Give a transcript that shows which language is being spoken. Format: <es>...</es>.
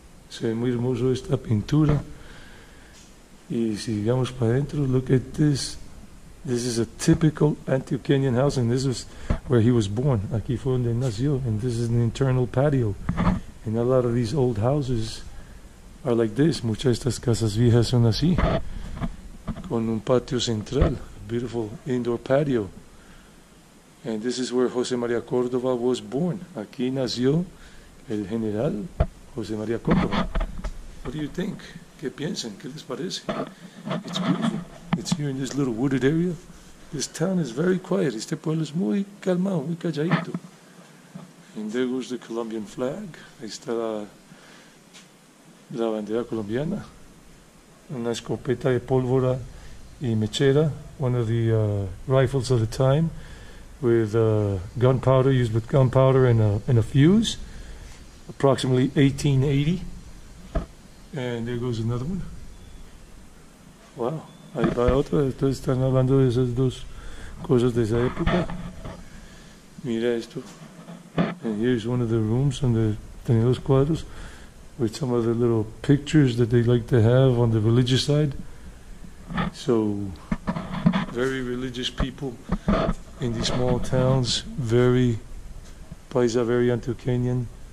<es>Se ve muy hermoso esta pintura. Y sigamos para adentro.</es> <en>Look at this. This is a typical Antioquian house, and this is where he was born.</en> <es>Aquí fue donde nació,</es> <en>and this is an internal patio. And a lot of these old houses are like this.</en> <es>Muchas de estas casas viejas son así, con un patio central,</es> <en>a beautiful indoor patio. And this is where José María Córdoba was born.</en> <es>Aquí nació el general José María Córdoba.</es> <en>What do you think?</en> <es>¿Qué piensan? ¿Qué les parece?</es> <en>It's beautiful. It's here in this little wooded area. This town is very quiet.</en> <es>Este pueblo es muy calmado, muy calladito.</es> <en>And there goes the Colombian flag.</en> <es>Ahí está la bandera colombiana. Una escopeta de pólvora y mechera.</es> <en>One of the rifles of the time with gunpowder, used with gunpowder and a fuse. Approximately 1880. And there goes another one. Wow.</en> <es>Ahí va otra. Entonces están hablando de esas dos cosas de esa época. Mira esto.</es> <en>And here's one of the rooms on the Tenidos Cuadros with some of the little pictures that they like to have on the religious side. So, very religious people in these small towns. Very, paisa, very Antioquian.</en>